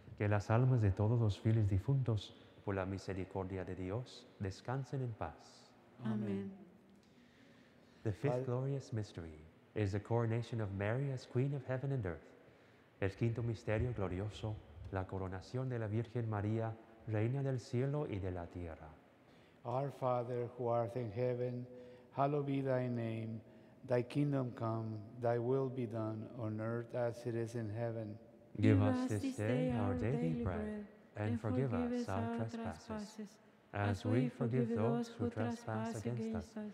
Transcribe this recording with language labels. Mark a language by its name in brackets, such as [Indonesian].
[Spanish] Que las almas de todos los fieles difuntos por la misericordia de Dios, descansen en paz. Amén. [English] The fifth glorious mystery is the coronation of Mary as Queen of Heaven and Earth. [Spanish] El quinto misterio glorioso, la coronación de la Virgen María, Reina del Cielo y de la Tierra. [English] Our Father, who art in heaven, hallowed be thy name. Thy kingdom come, thy will be done, on earth as it is in heaven. Give us this day our daily bread. And forgive us our trespasses, as we forgive those who trespass against us.